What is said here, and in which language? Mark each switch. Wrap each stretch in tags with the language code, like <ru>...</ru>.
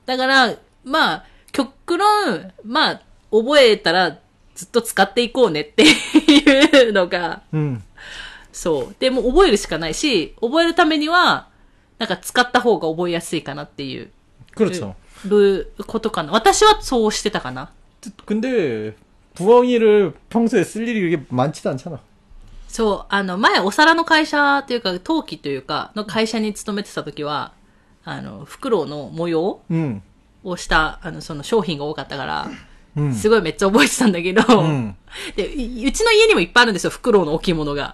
<ja>だから、まあ、極論、まあ、覚えたら、ずっと使っていこうねっていうのが。そう。でも、覚えるしかないし、覚えるためには、なんか使った方が覚えやすいかなっていう。</ja> <ko>그렇죠。</ko> <ja>ることかな。私はそうしてたかな。</ja> <ko>근데、부엉이를평소에쓸일이그렇게많지도않잖아。</ko> <ja>そう、あの、前、お皿の会社というか、陶器というか、の会社に勤めてた時は、あの、フクロウの模様をした、あの、その商品が多かったから、すごいめっちゃ覚えてたんだけど、で、うちの家にもいっぱいあるんですよ、フクロウの置物が。</ja>